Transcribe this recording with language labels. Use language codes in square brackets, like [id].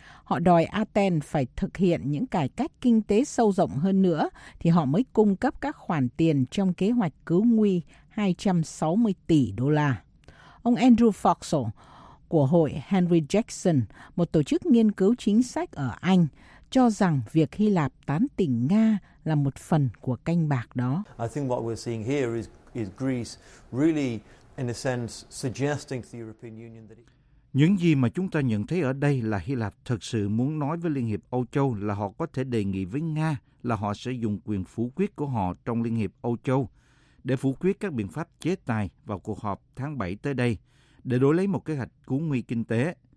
[vi] Họ đòi Athens phải thực hiện những cải cách kinh tế sâu rộng hơn nữa thì họ mới cung cấp các khoản tiền trong kế hoạch cứu nguy 260 tỷ đô la. Ông Andrew Foxall của Hội Henry Jackson, một tổ chức nghiên cứu chính sách ở Anh, cho rằng việc Hy Lạp tán tỉnh Nga là một phần của canh bạc đó. [en] I think what we're seeing here is Greece really, in a sense, suggesting to the European Union that [vi] Những gì mà chúng ta nhận thấy ở đây là Hy Lạp thực sự muốn nói với Liên hiệp Âu Châu là họ có thể đề nghị với Nga là họ sẽ dùng quyền phủ quyết của họ trong Liên hiệp Âu Châu để phủ quyết các biện pháp chế tài vào cuộc họp tháng 7 tới đây để đổi lấy một kế hoạch cứu nguy kinh tế.